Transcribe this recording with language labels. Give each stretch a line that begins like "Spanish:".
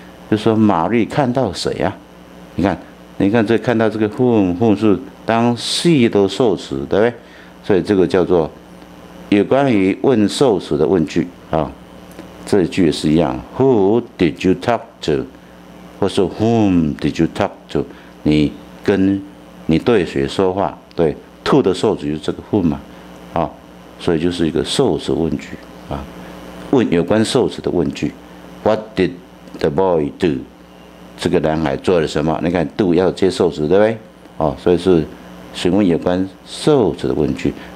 Chinese: 就说玛丽看到谁啊？你看这看到这个 Whom 是当 see 的受词，对不对？所以这个叫做有关于问受词的问句啊。这句是一样
English: ，Who did you talk to？ 或者 Whom did you talk to？
Chinese: 你对谁说话？对 ，to 的受词就是这个 Whom 嘛。啊，所以就是一个受词问句啊，问有关受词的问句。
English: What did the boy do？
Chinese: 这个男孩做了什么？你看 ，do 要接受词，对不对？哦，所以是询问有关受词的问句。